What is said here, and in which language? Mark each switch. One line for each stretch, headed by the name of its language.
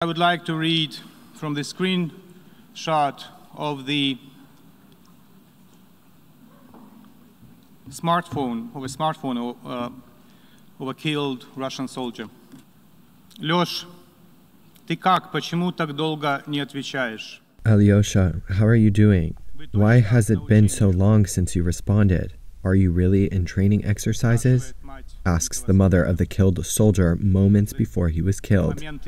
English: I would like to read from the screenshot of the smartphone of a killed Russian soldier.
Russian: Лёш, ты как? Почему так долго не отвечаешь?
English: Alyosha, how are you doing? Why has it been so long since you responded? Are you really in training exercises? Asks the mother of the killed soldier moments before he was killed.